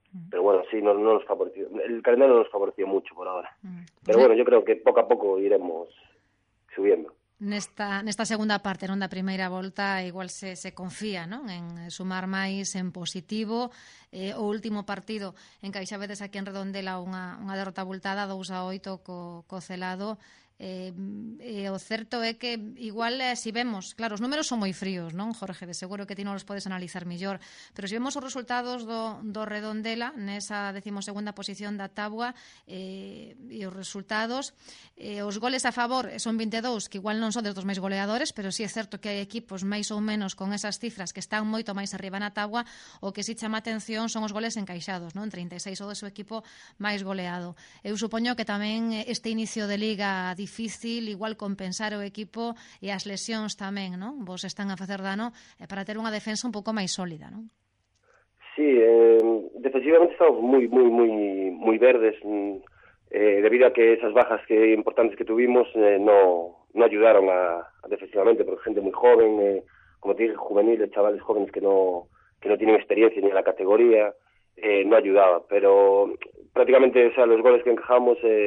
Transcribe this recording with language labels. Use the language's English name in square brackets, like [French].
[Spanish] Pero bueno, sí, no nos favoreció, el calendario no nos favoreció mucho por ahora. Pero bueno, yo creo que poco a poco iremos subiendo. [Galician] Nesta segunda parte, non da primeira volta, igual se confía, non? En sumar máis en positivo. O último partido en que xa vedes aquí en Redondela unha derrota abultada 2-8 co Celado. O certo é que igual si vemos, claro, os números son moi fríos, non, Jorge, de seguro que ti non os podes analizar mellor, pero si vemos os resultados do Redondela nesa 12ª posición da tabua e os resultados, os goles a favor son 22, que igual non son dos máis goleadores, pero si é certo que hai equipos máis ou menos con esas cifras que están moito máis arriba na tabua, o que si chama atención son os goles encaixados, non, 36 o do seu equipo máis goleado. Eu supoño que tamén este inicio de liga difícil, igual compensar o equipo e as lesións tamén, non? Vos están a facer dano para ter unha defensa un pouco máis sólida, non? [Spanish] Sí, defensivamente estamos [Galician] moi, moi, moi, moi verdes [Spanish] debido a que esas bajas que importantes que tuvimos no ayudaron a defensivamente, porque gente moi joven, como te dije, juvenil, chavales jóvenes que no tienen experiencia ni en la categoría, no ayudaba, pero prácticamente, o sea, los goles que encajamos